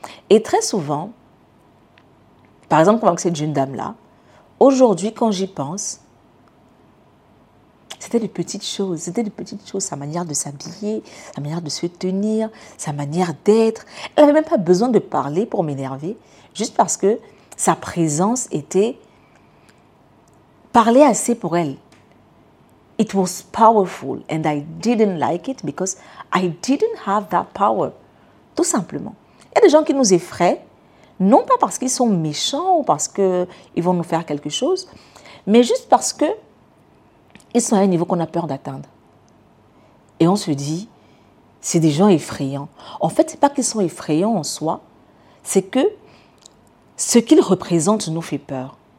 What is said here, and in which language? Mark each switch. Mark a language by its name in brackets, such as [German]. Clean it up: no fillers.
[French] Et très souvent, par exemple, comme cette jeune dame-là, aujourd'hui, quand j'y pense, c'était des petites choses. C'était des petites choses, sa manière de s'habiller, sa manière de se tenir, sa manière d'être. Elle n'avait même pas besoin de parler pour m'énerver, juste parce que sa présence était parlée assez pour elle. [English] It was powerful and I didn't like it because I didn't have that power. [French] Tout simplement. Il y a des gens qui nous effraient, non pas parce qu'ils sont méchants ou parce qu'ils vont nous faire quelque chose, mais juste parce qu'ils sont à un niveau qu'on a peur d'atteindre. Et on se dit, c'est des gens effrayants. En fait, ce n'est pas qu'ils sont effrayants en soi, c'est que ce qu'ils représentent nous fait peur.